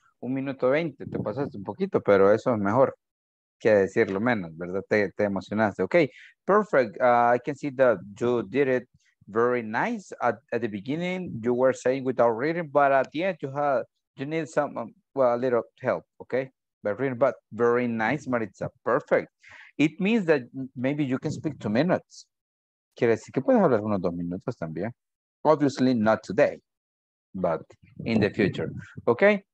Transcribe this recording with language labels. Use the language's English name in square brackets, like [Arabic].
[Spanish] 1:20, te pasaste un poquito, pero eso es mejor que decirlo menos, ¿verdad? Te emocionaste. [English] Okay, perfect. I can see that you did it very nice. At the beginning, you were saying without reading, but at the end, you need some, a little help, okay? By reading, but very nice, Maritza, perfect. It means that maybe you can speak 2 minutes. [Spanish] Quiere decir que puedes hablar unos 2 minutos también. [English] Obviously, not today, but in the future, okay?